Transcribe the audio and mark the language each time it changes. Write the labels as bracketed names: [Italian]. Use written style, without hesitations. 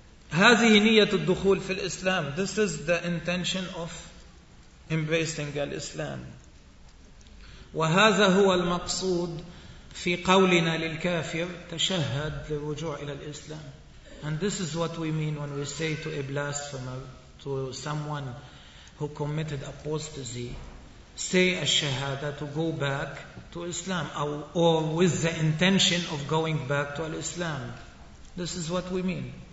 [Arabic] هذه نية الدخول في الإسلام. [English] This is the intention of embracing Islam. [Arabic] وهذا هو المقصود في قولنا للكافر تشهد للرجوع إلى الإسلام. [English] And this is what we mean when we say to a blasphemer, to someone who committed apostasy, say a shahada to go back to Islam, or with the intention of going back to Islam. This is what we mean.